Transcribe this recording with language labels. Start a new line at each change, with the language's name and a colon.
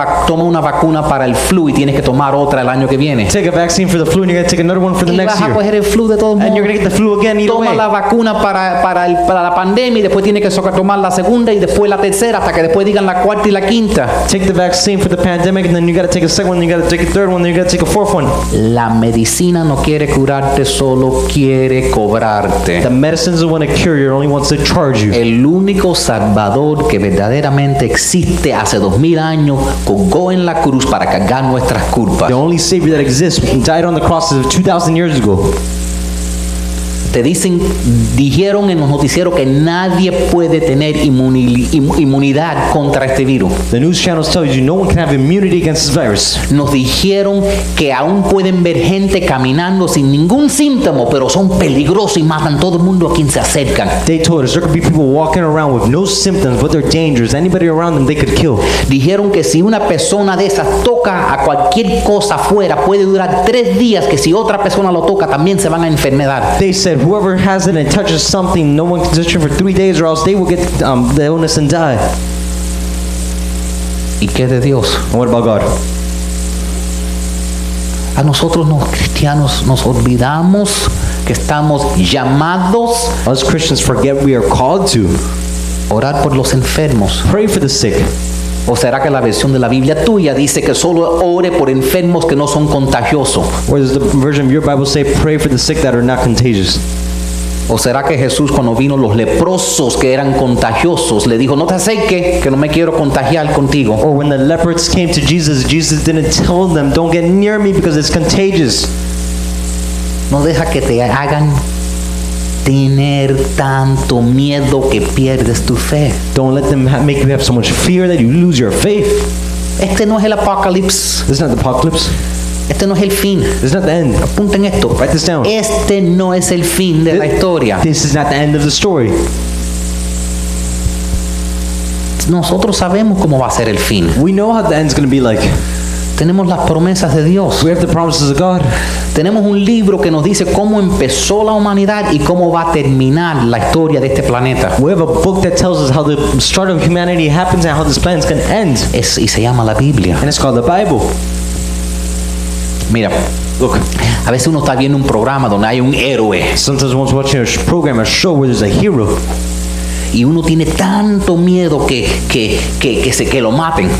Spanish: Toma una vacuna para el flu y tienes que tomar otra el año que viene.
English: Take a vaccine for the flu and you're going to take another one for the next year.
Spanish: Y vas a coger el flu de todo el mundo.
English: And you're going to get the flu again either
Spanish: way. Toma la vacuna para la pandemia y después tienes que tomar la segunda y después la tercera hasta que después digan la cuarta y la quinta.
English: Take the vaccine for the pandemic and then you got to take a second one, then you got to take a third one, then you got to take a fourth one.
Spanish: La medicina no quiere curarte, solo quiere cobrarte.
English: The medicine doesn't want to cure you, it only wants to charge you.
Spanish: El único salvador que verdaderamente existe hace 2000 años colgó en la cruz para cargar nuestras culpas.
English: The only savior that exists died on the cross 2000 years ago.
Spanish: Te dicen, dijeron en los noticieros que nadie puede tener inmunidad contra este virus.
English: The news channels tell you no one can have immunity against this virus.
Spanish: Nos dijeron que aún pueden ver gente caminando sin ningún síntoma, pero son peligrosos y matan todo el mundo a quien se acercan.
English: They told us there could be people walking around with no symptoms, but they're dangerous. Anybody around them, they could kill.
Spanish: Dijeron que si una persona de esas toca a cualquier cosa afuera, puede durar 3 días, que si otra persona lo toca, también se van a enfermedad.
English: They said, whoever has it and touches something, no one can touch it for 3 days, or else they will get the illness and die.
Spanish: ¿Y qué de Dios?
English: And what about God?
Spanish: A nosotros los cristianos nos olvidamos que estamos llamados.
English: Us Christians forget we are called to
Spanish: orar por los enfermos.
English: Pray for the sick.
Spanish: ¿O será que la versión de la Biblia tuya dice que solo ore por enfermos que no son contagiosos?
English: Or does the version of your Bible say pray for the sick that are not contagious?
Spanish: ¿O será que Jesús, cuando vino los leprosos que eran contagiosos, le dijo, no te acerques, que no me quiero contagiar contigo?
English: Or when the lepers came to Jesus, Jesus didn't tell them, don't get near me because it's contagious.
Spanish: No deja que te hagan tener tanto miedo que pierdes tu fe.
English: Don't let them make you have so much fear that you lose your faith.
Spanish: Este no es el apocalipsis.
English: This is not the apocalypse.
Spanish: Este no es el fin.
English: This is not the end.
Spanish: Apunten esto.
English: Write this down.
Spanish: Este no es el fin de la historia.
English: This is not the end of the story.
Spanish: Nosotros sabemos cómo va a ser el fin.
English: We know how the end is going to be like.
Spanish: Tenemos las promesas de Dios.
English: We have the promises of God.
Spanish: Tenemos un libro que nos dice cómo empezó la humanidad y cómo va a terminar la historia de este planeta.
English: We have a book that tells us how the start of humanity happens and how this planet is going to end.
Spanish: Y se llama la Biblia.
English: And it's called the Bible.
Spanish: Mira,
English: look.
Spanish: A veces uno está viendo un programa donde hay un héroe.
English: Sometimes one's watching a program, a show where there's a hero.
Spanish: Y uno tiene tanto miedo que lo maten.